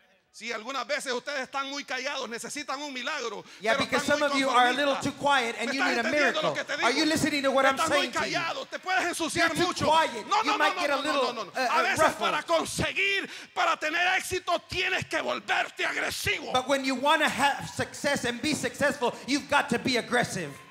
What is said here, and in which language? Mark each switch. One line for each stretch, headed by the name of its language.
Spanish: Si algunas veces ustedes están muy callados, necesitan un milagro.
English: Yeah, because some of you are a little too quiet and you need a miracle. Are you listening to what I'm saying to you?
Spanish: Te puedes ensuciar mucho.
English: You might get a little
Spanish: a veces para conseguir, para tener éxito, tienes que volverte agresivo.
English: But when you want to have success and be successful, you've got to be aggressive.